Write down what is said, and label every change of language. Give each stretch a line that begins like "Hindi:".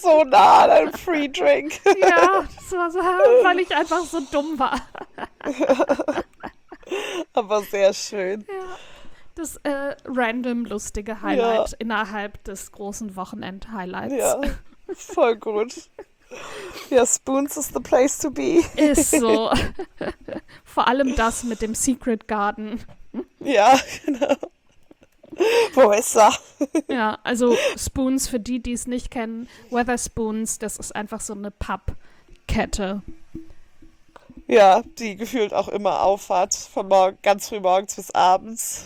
German: nah an einem Free Drink. Ja, das war so, weil ich einfach so dumm war. Aber sehr schön. Das random lustige Ja. Highlight innerhalb des großen Wochenend-Highlights. Ja, voll gut.
English: Ja, Spoons is the place to be.
German: Ist so. Vor allem das mit dem Secret Garden. Ja, genau. Wo ist er? Ja, also Spoons, für die, die es nicht kennen, Wetherspoons, das ist einfach so eine Pub-Kette. Ja, die gefühlt auch immer Auffahrt von morgen, ganz früh morgens bis abends,